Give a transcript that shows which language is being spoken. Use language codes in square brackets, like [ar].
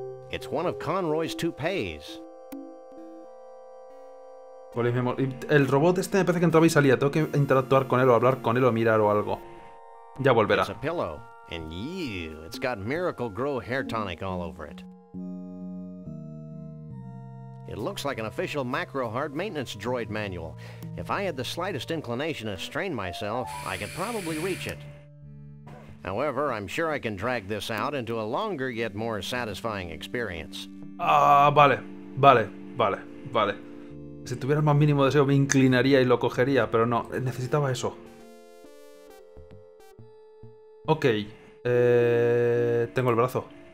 [en] It's one of Conroy's toupees. [es] El robot este me parece que entraba y salía. Tengo que interactuar con él o hablar con él o mirar o algo. Ya volverá. [en] It's a pillow. And you, it's got Miracle Grow hair tonic all over it. It looks like an official macro hard maintenance droid manual. If I had the slightest inclination to strain myself, I could probably reach it. However, I'm sure I can drag this out into a longer yet more satisfying experience. [es] Ah, vale. Vale. Vale. Vale. Si tuviera el más mínimo deseo, me inclinaría y lo cogería, pero no, necesitaba eso. Ok, tengo el brazo.